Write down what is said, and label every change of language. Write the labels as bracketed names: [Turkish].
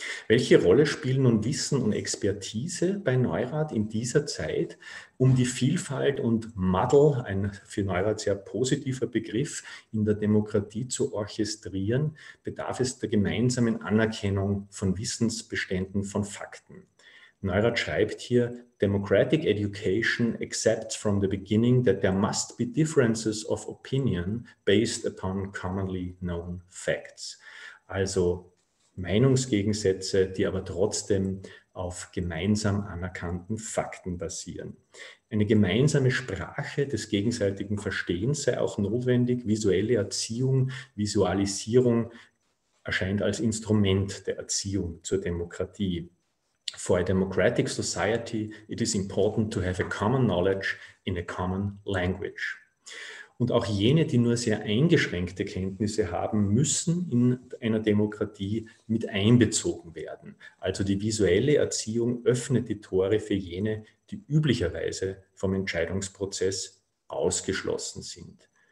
[German] Welche Rolle spielen nun Wissen und Expertise bei Neurath in dieser Zeit, um die Vielfalt und Muddle, ein für Neurath sehr positiver Begriff, in der Demokratie zu orchestrieren, bedarf es der gemeinsamen Anerkennung von Wissensbeständen, von Fakten. Neurath schreibt hier: [English] Democratic education accepts from the beginning that there must be differences of opinion based upon commonly known facts. [German] Also Meinungsgegensätze, die aber trotzdem auf gemeinsam anerkannten Fakten basieren. Eine gemeinsame Sprache des gegenseitigen Verstehens sei auch notwendig. Visuelle Erziehung, Visualisierung erscheint als Instrument der Erziehung zur Demokratie. [English] For a democratic society, it is important to have a common knowledge in a common language. [German] Und auch jene, die nur sehr eingeschränkte Kenntnisse haben, müssen in einer Demokratie mit einbezogen werden. Also die visuelle Erziehung öffnet die Tore für jene, die üblicherweise vom Entscheidungsprozess ausgeschlossen sind.